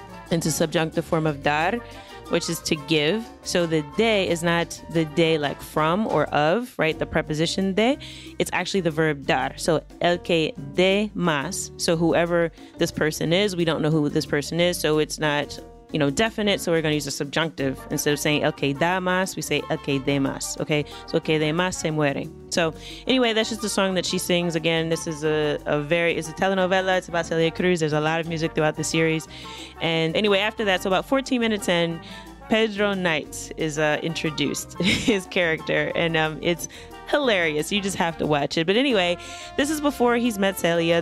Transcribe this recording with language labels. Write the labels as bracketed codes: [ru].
[en] It's a subjunctive form of dar, which is to give. So the de is not the de like from or of, right? The preposition de, it's actually the verb dar. So [es] el que de más. [en] So whoever this person is, we don't know who this person is. So it's not, you know, definite. So we're going to use a subjunctive. Instead of saying [es] el que da más, [en] we say [es] el que de más. [en] Okay. So [es] el que de más se muere. [en] So anyway, that's just the song that she sings. Again, this is it's a telenovela. It's about Celia Cruz. There's a lot of music throughout the series. And anyway, after that, so about 14 minutes in, Pedro Knight is introduced, his character. And it's hilarious. You just have to watch it. But anyway, this is before he's met Celia.